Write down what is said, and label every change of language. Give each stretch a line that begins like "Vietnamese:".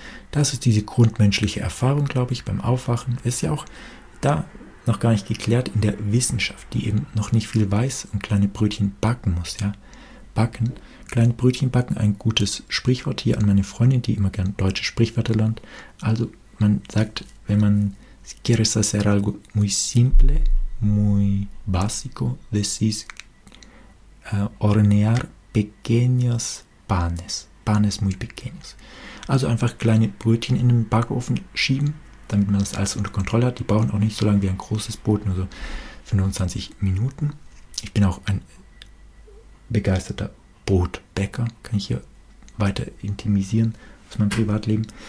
German: Das ist diese grundmenschliche Erfahrung, glaube ich, beim Aufwachen. Ist ja auch da noch gar nicht geklärt in der Wissenschaft, die eben noch nicht viel weiß und kleine Brötchen backen muss, ja. Backen, kleine Brötchen backen, ein gutes Sprichwort hier an meine Freundin, die immer gern deutsche Sprichwörter lernt. Also man sagt, wenn man
Spanish: si quieres hacer algo muy simple, muy básico, decís hornear pequeños panes, panes muy pequeños.
German: Also einfach kleine Brötchen in den Backofen schieben, damit man das alles unter Kontrolle hat. Die brauchen auch nicht so lange wie ein großes Brot, nur so 25 Minuten. Ich bin auch ein begeisterter Brotbäcker, kann ich hier weiter intimisieren aus meinem Privatleben.